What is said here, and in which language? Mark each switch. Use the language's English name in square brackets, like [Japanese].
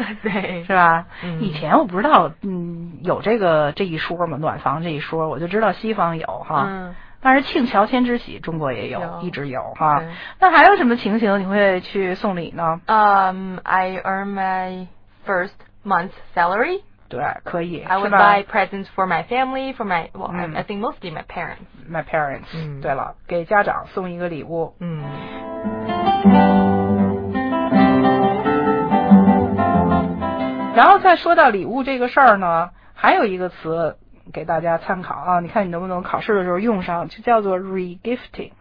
[Chinese] 对，是吧？以前我不知道，有这一说嘛，暖房这一说，我就知道西方有哈。但是庆乔迁之喜，中国也有，一直有哈。那还有什么情形你会去送礼呢？ [English] I earn my first month's salary。 [Chinese] 对，可以。 [English] I would buy presents for my family, for my, well, I think mostly my parents. My parents. [Chinese] 对了，给家长送一个礼物。然后再说到礼物这个事儿呢，还有一个词给大家参考啊，你看你能不能考试的时候用上，就叫做 regifting。